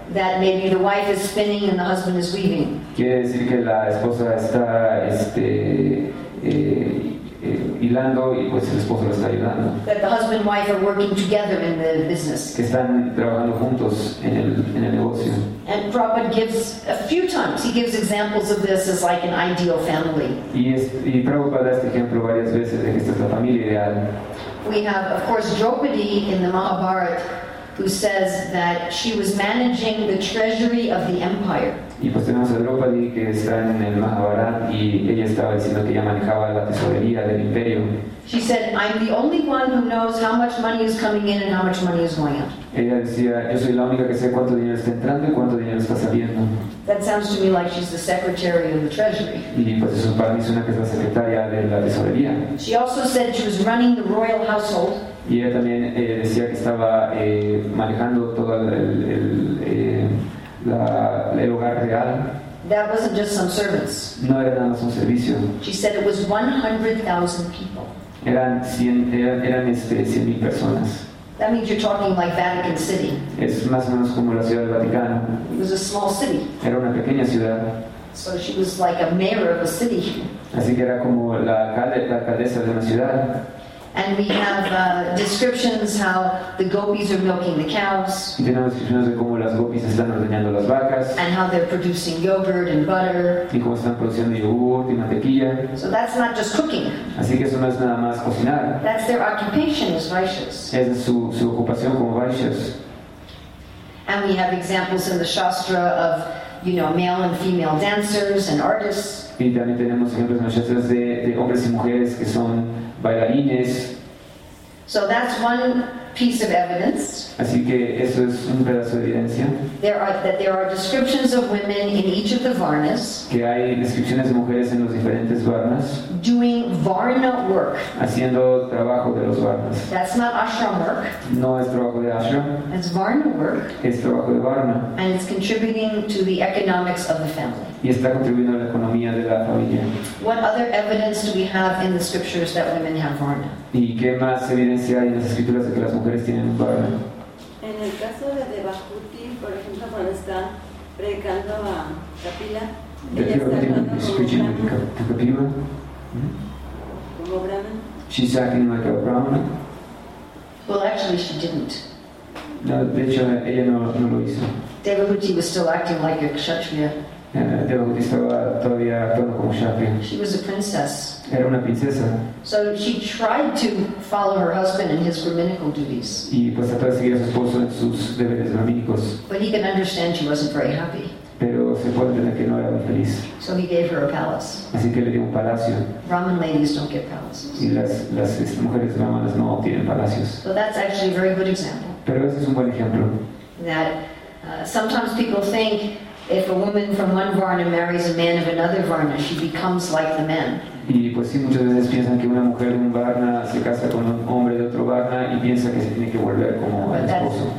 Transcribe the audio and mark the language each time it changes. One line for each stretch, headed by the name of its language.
English: That maybe the wife is spinning and the husband is weaving.
Spanish: Quiere decir que la esposa está hilando y pues el esposo la está ayudando.
English: That the husband and wife are working together in the business.
Spanish: Que están trabajando juntos en el negocio.
English: And Prabhupada gives a few times, he gives examples of this as like an ideal family.
Spanish: Y Prabhupada da este ejemplo varias veces de que esta es la familia ideal.
English: We have, of course, Draupadi in the Mahabharata, who says that she was managing the treasury of the empire.
Spanish: Y pues tenemos a Draupadi que está en el Mahabharata y ella estaba diciendo que ella manejaba la tesorería del imperio.
English: She said, I'm the only one who knows how much money is coming in and how much money is going out.
Spanish: Ella decía, yo soy la única que sé cuánto dinero está entrando y cuánto dinero está saliendo.
English: That sounds to me like she's the secretary of the treasury.
Spanish: Y pues eso para mí suena que es la secretaria de la tesorería.
English: She also said she was running the royal household.
Spanish: Y ella también decía que estaba manejando todo el hogar real.
English: That wasn't just some servants.
Spanish: No era nada más un servicio.
English: She said it was 100,000 people.
Spanish: Eran 100,000 personas.
English: That means you're talking like Vatican City.
Spanish: Es más o menos como la ciudad del Vaticano.
English: It was a small city.
Spanish: Era una pequeña ciudad.
English: So she was like a mayor of a city.
Spanish: Así que era como la alcaldesa de una ciudad.
English: And we have descriptions how the gopis are milking the cows.
Spanish: Y tenemos descripciones de cómo las gopis están ordeñando las vacas.
English: And how they're producing yogurt and butter.
Spanish: Y cómo están produciendo yogurt y mantequilla.
English: So that's not just cooking.
Spanish: Así que eso no es nada más cocinar.
English: That's their occupation as vaishyas.
Spanish: Es su ocupación como vaishyas.
English: And we have examples in the shastra of, you know, male and female dancers and artists.
Spanish: Y también tenemos ejemplos en los shastras de hombres y mujeres que son bailarines.
English: So that's one piece of evidence.
Spanish: Así que eso es un pedazo de evidencia.
English: There are descriptions of women in each of the varnas.
Spanish: Que hay descripciones de mujeres en los diferentes varnas.
English: Doing varna work.
Spanish: Haciendo trabajo de los varnas.
English: That's not ashram work.
Spanish: No es trabajo de ashram.
English: It's varna work.
Spanish: Es trabajo de varna.
English: And it's contributing to the economics of the family.
Spanish: Y está contribuyendo a la economía de la familia.
English: What other evidence do we have in the scriptures that women have varna?
Spanish: ¿Y qué más evidencia hay en las escrituras de que las mujeres tienen un varna? En el caso de Devahuti, por ejemplo, cuando está predicando a Kapila, ella está hablando como Brahman. Como Brahman.
English: She's acting like a Brahman. Well, actually, she didn't.
Spanish: No, de hecho, ella no lo hizo.
English: Devahuti was still acting like a Kshatriya.
Spanish: Devahuti estaba todavía actuando como Kshatriya.
English: She was a princess.
Spanish: Era una princesa.
English: So she tried to follow her husband in his brahminical duties.
Spanish: Y pues trató de seguir a su esposo en sus deberes brahmínicos.
English: But he can understand she wasn't very happy.
Spanish: Pero se puede entender que no era muy feliz.
English: So he gave her a palace.
Spanish: Así que le dio un palacio.
English: Brahmin ladies don't get palaces.
Spanish: Y las mujeres brahmanas no obtienen palacios.
English: So that's actually a very good example.
Spanish: Pero ese es un buen ejemplo.
English: That sometimes people think if a woman from one varna marries a man of another varna, she becomes like the man.
Spanish: Y pues sí, muchas veces piensan que una mujer de un varna se casa con un hombre de otro varna y piensa que se tiene que volver como el esposo.